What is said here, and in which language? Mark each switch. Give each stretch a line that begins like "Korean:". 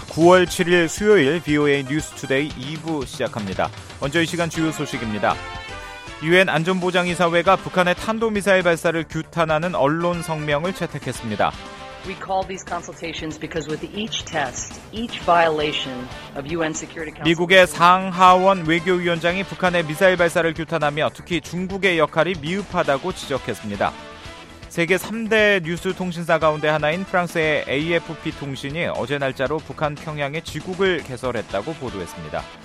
Korean: 9월 7일 수요일 VOA 뉴스 투데이 2부 시작합니다. 먼저 이 시간 주요 소식입니다. 유엔 안전보장이사회가 북한의 탄도미사일 발사를 규탄하는 언론 성명을 채택했습니다.
English: We call these consultations because with each test, each violation of UN Security Council.
Korean: 미국의 상하원 외교위원장이 북한의 미사일 발사를 규탄하며 특히 중국의 역할이 미흡하다고 지적했습니다. 세계 3대 뉴스 통신사 가운데 하나인 프랑스의 AFP 통신이 어제 날짜로 북한 평양에 지국을 개설했다고 보도했습니다.